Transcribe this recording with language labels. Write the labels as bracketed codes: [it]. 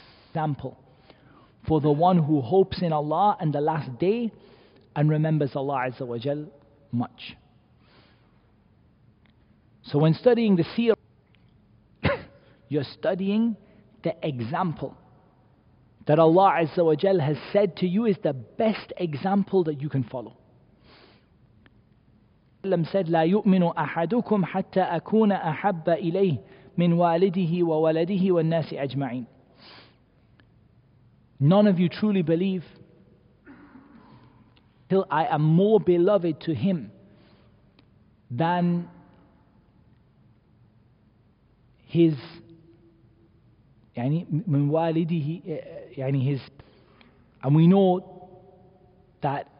[en] Example, for the one who hopes in Allah and the last day and remembers Allah Azza wa Jalla much. So when studying the seerah, you're studying the example that Allah Azza wa Jal has said to you is the best example that you can follow. Allah said, [ar] لا يؤمن أحدكم حتى أكون أحب إليه من والده وولده والناس أجمعين. [en] None of you truly believe till I am more beloved to him than his, [ar] من والده, [en] his, and we know that